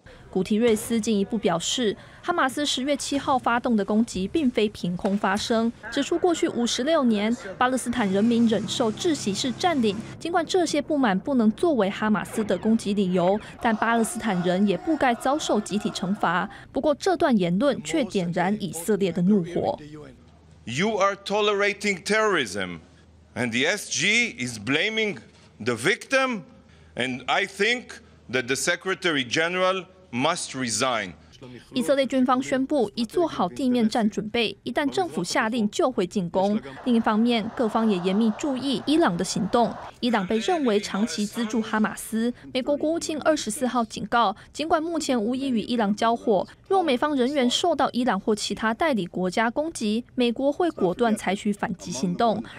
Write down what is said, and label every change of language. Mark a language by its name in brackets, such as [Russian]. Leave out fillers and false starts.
[Chinese] 古提瑞斯进一步表示，哈马斯10月7号发动的攻击并非凭空发生，指出过去56年巴勒斯坦人民忍受窒息式占领，尽管这些不满不能作为哈马斯的攻击理由，但巴勒斯坦人也不该遭受集体惩罚。不过这段言论却点燃以色列的怒火。 [English] You are tolerating terrorism and the SG is blaming the victim and I think that the Secretary GeneralMust resign. [Chinese] 以色列军方宣布已做好地面战准备，一旦政府下令就会进攻。另一方面，各方也严密注意伊朗的行动。伊朗被认为长期资助哈马斯。美国国务卿24号警告，尽管目前无意与伊朗交火，若美方人员受到伊朗或其他代理国家攻击，美国会果断采取反击行动。